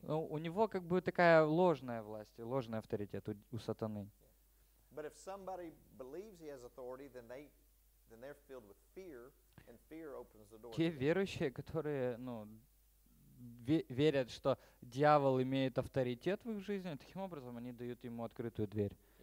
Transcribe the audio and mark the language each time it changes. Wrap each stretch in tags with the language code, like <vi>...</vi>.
<ru>Ну, у него как бы такая ложная власть, ложный авторитет у сатаны.</ru> <en>But if somebody believes he has authority, then they, then they're filled with fear, and fear opens the door.</en> <ru>Те верующие, которые, ну, верят, что дьявол имеет авторитет в их жизни, таким образом они дают ему открытую дверь.</ru>